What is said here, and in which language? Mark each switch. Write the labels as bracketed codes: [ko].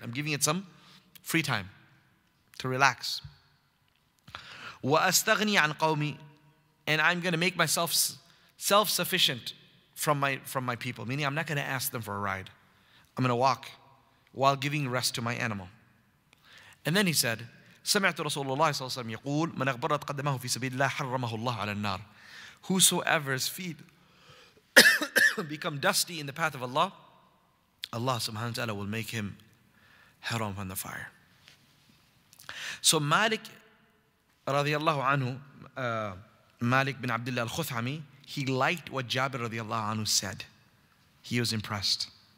[en] I'm giving it some free time to relax. [ar] وأستغني عن قومي. [en] And I'm going to make myself self-sufficient from my people. Meaning I'm not going to ask them for a ride. I'm going to walk while giving rest to my animal. And then he said, [ar] سمعت رسول الله صلى الله عليه وسلم يقول من أغبرت قدمه في سبيل الله حرمه الله على النار. [en] Whosoever's feet become dusty in the path of Allah, Allah subhanahu wa ta'ala will make him haram on the fire. So Malik radiallahu anhu, Malik bin Abdullah al-Khuthami, he liked what Jabir radiallahu anhu said. He was impressed.